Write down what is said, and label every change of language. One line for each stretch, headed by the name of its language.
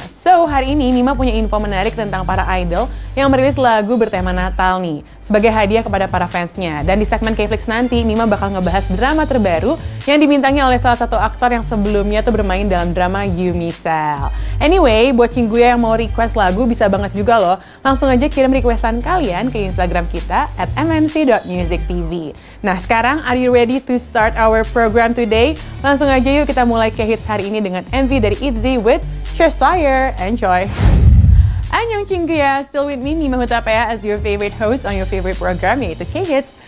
Indonesian: So, hari ini Mima punya info menarik tentang para idol yang merilis lagu bertema Natal nih sebagai hadiah kepada para fansnya. Dan di segmen K-Flix nanti Mima bakal ngebahas drama terbaru yang dibintangi oleh salah satu aktor yang sebelumnya tuh bermain dalam drama You Me Sell.
English: Anyway,
Indonesian: buat cingguya yang mau request lagu bisa banget juga loh. Langsung aja kirim requestan kalian ke Instagram kita @mnc.musictv. Nah, sekarang
English: are you ready to start our program today?
Indonesian: Langsung aja yuk kita mulai ke hits hari ini dengan MV dari ITZY with Cheshire.
English: Enjoy.
Korean: Annyeong cingguya,
English: still with me Mima Hutapea as your favorite host on your favorite program
Indonesian: yaitu
English: K-Hits.